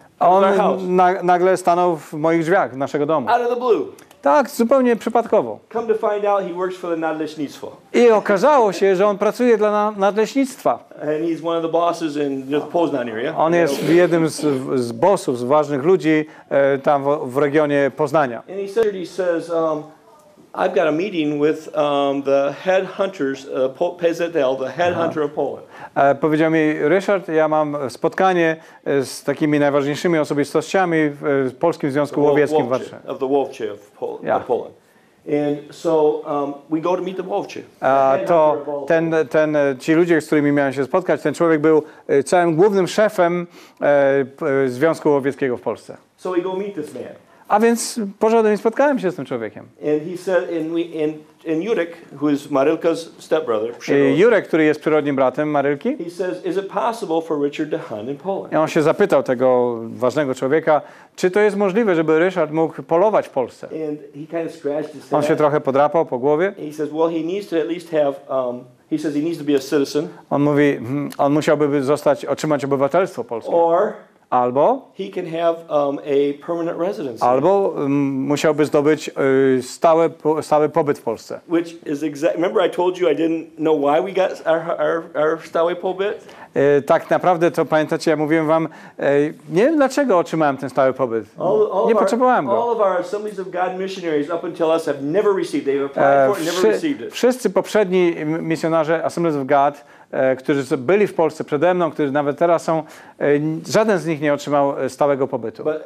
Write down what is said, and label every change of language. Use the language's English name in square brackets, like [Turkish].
[Polish] On nagle stanął w moich drzwiach naszego domu. [English] Out of the blue. [Polish] Tak, zupełnie przypadkowo. [English] Come to find out he works for the nadleśnictwo. [Polish] I okazało się, że on pracuje dla nadleśnictwa. [English] And he's one of the bosses in the Poznań area. [Polish] On jest jednym z bossów, z ważnych ludzi tam w regionie Poznania. [English] And he said, he says, I've got a meeting with the head hunters, PZL, the head hunter of Poland. [Polish] Powiedział mi Ryszard, ja mam spotkanie z takimi najważniejszymi osobistościami w Polskim Związku Łowieckim w Warszawie. [English] Of the Wolfche of Poland. And so we go to meet the Wolfche. [Polish] To ten ci ludzie, z którymi miałem się spotkać, ten człowiek był całym głównym szefem Związku Łowieckiego w Polsce. [English] So we go meet this man. [Polish] A więc pożądam i spotkałem się z tym człowiekiem. [English] And he said, and Jurek, who is Marylka's stepbrother, [Polish] Jurek, który jest przyrodnim bratem Marylki. [English] He says, is it possible for Richard to hunt in Poland? [Polish] I on się zapytał tego ważnego człowieka, czy to jest możliwe, żeby Ryszard mógł polować w Polsce. [English] And he kind of scratched his head. [Polish] On się trochę podrapał po głowie. [English] He says, well, he needs to at least have. He says he needs to be a citizen. [Polish] On mówi, on musiałby zostać, otrzymać obywatelstwo polskie. [English] Or [Polish] albo [English] he can have a permanent residency. [Polish] Albo musiałby zdobyć stały pobyt w Polsce. [English] Which is remember I told you I didn't know why we got our stały pobyt? [Polish] Tak naprawdę to pamiętacie, ja mówiłem wam, nie wiem dlaczego otrzymałem ten stały pobyt. Nie potrzebowałem go. [English] All of our Assemblies of God missionaries up until us have never received. They've applied for it, never received it. [Polish] Wszyscy poprzedni misjonarze Assemblies of God, którzy byli w Polsce przede mną, którzy nawet teraz są, żaden z nich nie otrzymał stałego pobytu.